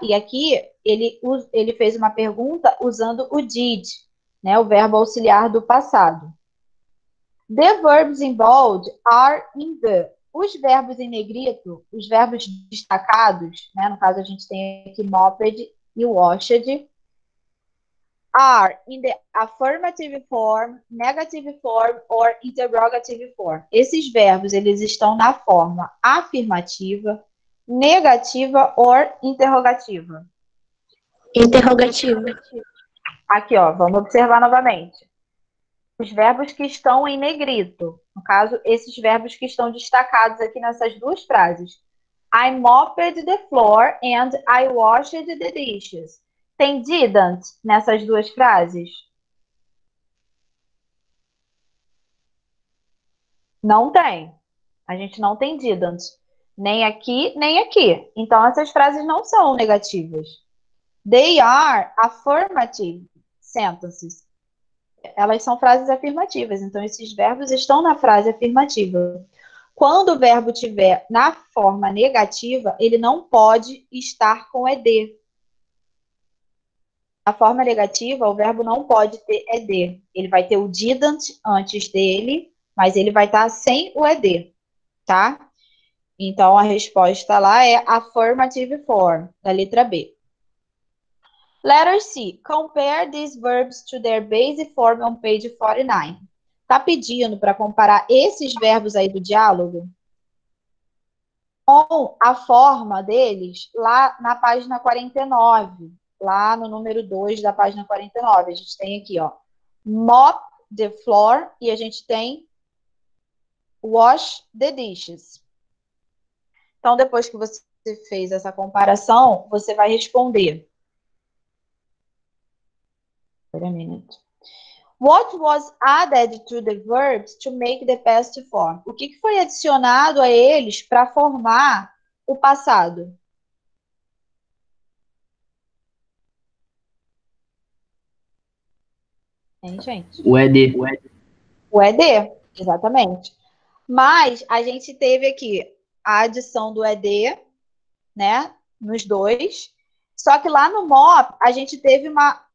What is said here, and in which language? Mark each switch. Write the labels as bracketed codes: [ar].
[pt] E aqui, ele fez uma pergunta usando o did, né? O verbo auxiliar do passado. [en] The verbs in bold are in the. [pt] Os verbos em negrito, os verbos destacados, né? No caso, a gente tem aqui moped e washed. [en] Are in the affirmative form, negative form or interrogative form. [pt] Esses verbos, eles estão na forma afirmativa, negativa or interrogativa. Interrogativa. Aqui, ó, vamos observar novamente. Os verbos que estão em negrito. No caso, esses verbos que estão destacados aqui nessas duas frases. [en] I mopped the floor and I washed the dishes. [pt] Tem didn't nessas duas frases? Não tem. A gente não tem didn't. Nem aqui, nem aqui. Então, essas frases não são negativas. [en] They are affirmative sentences. [pt] Elas são frases afirmativas. Então, esses verbos estão na frase afirmativa. Quando o verbo estiver na forma negativa, ele não pode estar com ED. Na forma negativa, o verbo não pode ter ED. Ele vai ter o didn't antes dele, mas ele vai estar sem o ED, tá? Então, a resposta lá é affirmative form, da letra B. [en] Letter C. Compare these verbs to their base form on page 49. [pt] Tá pedindo para comparar esses verbos aí do diálogo com a forma deles lá na página 49. Lá no número 2 da página 49, a gente tem aqui, ó, [en] mop the floor [pt] e a gente tem [en] wash the dishes. [pt] Então, depois que você fez essa comparação, você vai responder. [en] Wait a minute. What was added to the verbs to make the past form? [pt] O que foi adicionado a eles para formar o passado? Hein, gente? O ED, exatamente. Mas a gente teve aqui a adição do ED, né, nos dois. Só que lá no MOP, a gente teve uma,